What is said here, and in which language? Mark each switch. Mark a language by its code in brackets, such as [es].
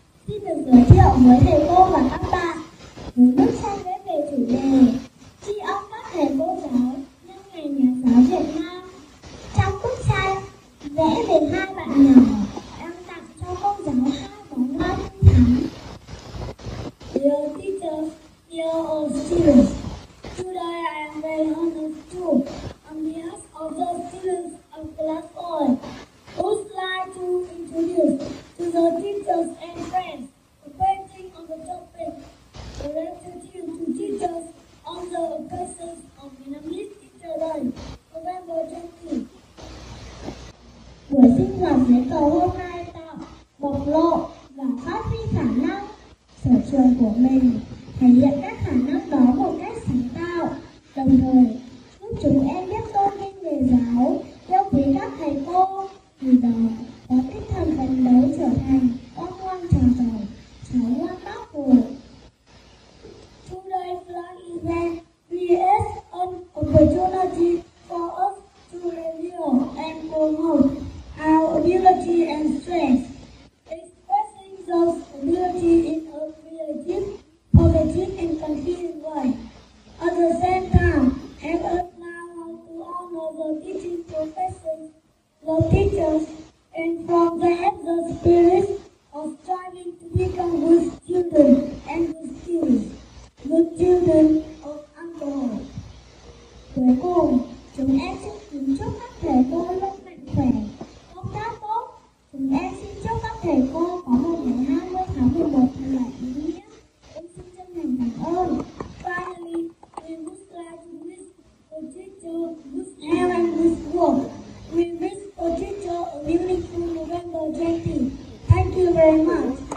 [vi] Xin được giới thiệu với thầy cô và các bạn một bức tranh vẽ về chủ đề tri ân các thầy cô giáo nhân ngày nhà giáo Việt Nam. Trong bức tranh vẽ về hai bạn nhỏ, em tặng cho cô giáo hai bóng hoa xinh xắn. [en] Dear teacher, dear all students, today I am very honored to, on behalf of the students of Class 4, would like to introduce to the teachers and friends a painting on the topic related to teachers on the occasion of Vietnamese Teacher Day, November 20. [vi] Buổi sinh hoạt giấy cầu hôm nay tạo bộc lộ và phát huy khả năng sở trường của mình, thể hiện các khả năng đó một cách sáng tạo, đồng thời giúp chúng em biết tôn vinh nghề giáo, yêu quý các thầy cô, từ đó có tinh thần phấn đấu trở thành con ngoan trò giỏi, cháu ngoan bác Hồ. [en] Today's flag event creates an opportunity for us to reveal and promote our ability and strength, expressing those ability in a creative, positive and confident way. At the same time, help us now to honor the teaching professors, the teachers, and from them the spirit of striving to become good students and good students, good children of Angkor. [vi] Cuối cùng, chúng em xin kính chúc các thầy cô luôn mạnh khỏe, công tác tốt. Chúng em xin chúc các thầy cô có một ngày 20 tháng 11 thật là ý nghĩa. Em xin chân thành cảm ơn. [en] Finally, we wish to wish the teacher good health and good work. We wish the teacher a beautiful November 20. Thank you very much.